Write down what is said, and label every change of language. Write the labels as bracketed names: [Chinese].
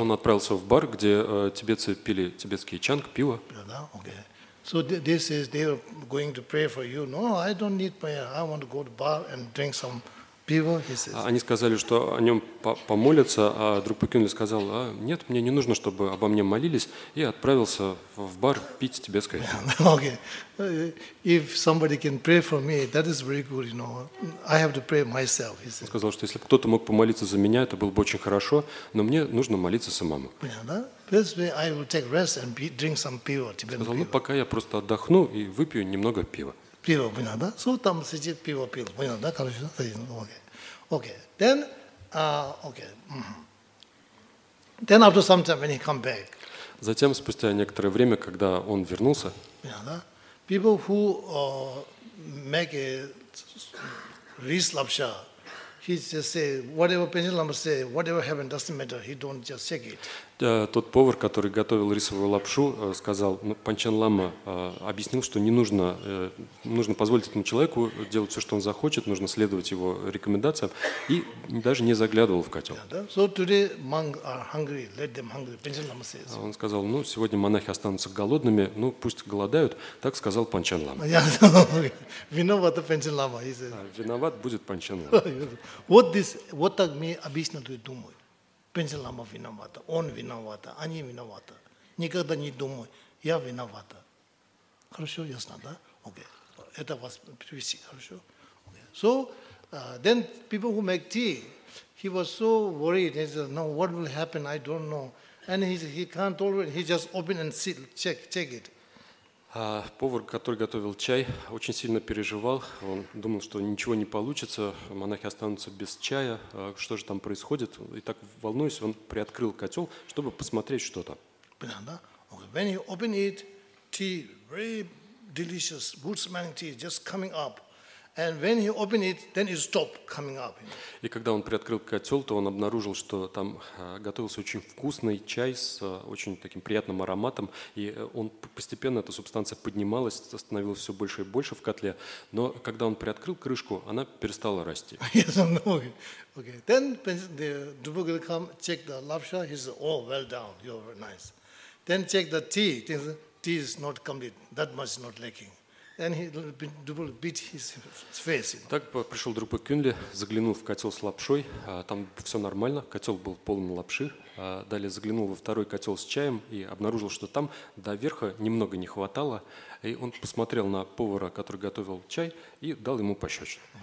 [Russian] Он отправился в бар, где тибетцы пили тибетский чанг, пиво. Понятно? Окей. [English] So they says they are going to pray for you. No, I don't need prayer. I want to go to bar and drink some beer. He says. [Russian] Они сказали, что о нем помолятся, а друг Пекюнли сказал: а, нет, мне не нужно, чтобы обо мне молились, и отправился в бар пить тибетское. [English] Okay, if somebody can pray for me, that is very good. You know, I have to pray myself. He says. [Russian] Он сказал, что если бы кто-то мог помолиться за меня, это было бы очень хорошо, но мне нужно молиться самому. [English] This way I will take rest and drink some beer, Tibetan beer. [Russian] Ну, пока я просто отдохну и выпью немного пива. Пиво, понял, да? So, там сидит, пиво пил. Понял, да? Короче, окей. Okay. Okay. Then, okay. [English] Then after some time, when he come back. [Russian] Затем, спустя некоторое время, когда он вернулся. Понял, да? [English] People who make rice лапша. He just say whatever Panchen Lama say, whatever happened doesn't matter. He don't just shake it. [Russian] Тот повар, который готовил рисовую лапшу, сказал, ну, Панчен Лама объяснил, что не нужно, нужно позволить этому человеку делать все, что он захочет, нужно следовать его рекомендациям, и даже не заглядывал в котел. [English] So today monks are hungry. Let them hungry. Panchen Lama says. [Russian] Он сказал, ну сегодня монахи останутся голодными, ну пусть голодают. Так сказал Панчен Лама. Виноват Панчен Лама. Виноват будет Панчен Лама. Вот [English] this, [Russian] вот так мне объясняют и думают. Панчен Лама виновата, он виновата, они виновата. Никогда не думай, я виновата. Хорошо, ясно, да? Окей. Okay. Это вас привести, хорошо? [English] Okay. So, then people who make tea, he was so worried. He said, now what will happen, I don't know. And he can't tolerate, he just open and see, check it. [Russian] Повар, который готовил чай, очень сильно переживал. Он думал, что ничего не получится, монахи останутся без чая. Что же там происходит? И так волнуясь, он приоткрыл котел, чтобы посмотреть, что там. Понятно? Okay. [English] When he opened it, tea, very delicious, good smelling tea, just coming up. And when he opened it, then it stopped coming up. [Russian] И когда он приоткрыл котел, то он обнаружил, что там готовился очень вкусный чай с очень таким приятным ароматом. И он постепенно, эта субстанция поднималась, становилась все больше и больше в котле. Но когда он приоткрыл крышку, она перестала расти. [English] Yes, okay. Okay. Then the Dubugil come, check the lapsha, he says, oh, well done, you're nice. Then check the tea, tea is not complete, that much is not lacking. [Russian] Так пришел Друпа Кюнли, заглянул в котел с лапшой, там все нормально, котел был полон лапши. Далее заглянул во второй котел с чаем и обнаружил, что там до верха немного не хватало. И он посмотрел на повара, который готовил чай, и дал ему пощечину.